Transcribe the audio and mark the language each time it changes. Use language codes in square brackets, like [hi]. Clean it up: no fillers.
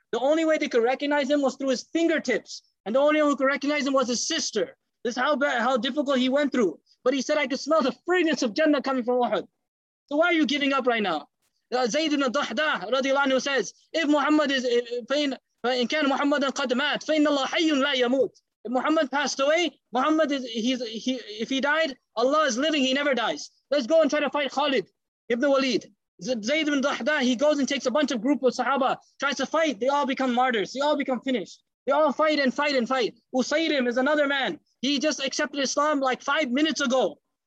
[en] The only way they could recognize him was through his fingertips. And the only one who could recognize him was his sister. This is how difficult he went through. But he said, I could smell the fragrance of Jannah coming from Uhud. So why are you giving up right now? Zayd ibn Dahdah radiallahu anhu says, if Muhammad is pain. [ar] In كان محمد قد مات فإن الله حي لا يموت. [en] If Muhammad passed away, Muhammad is if he died, Allah is living, he never dies. Let's go and try to fight Khalid ibn Walid. Zayd ibn Dahdah, he goes and takes a bunch of group of Sahaba, tries to fight, they all become martyrs, they all become finished. They all fight and fight and fight. Usayrim is another man. He just accepted Islam like 5 minutes ago.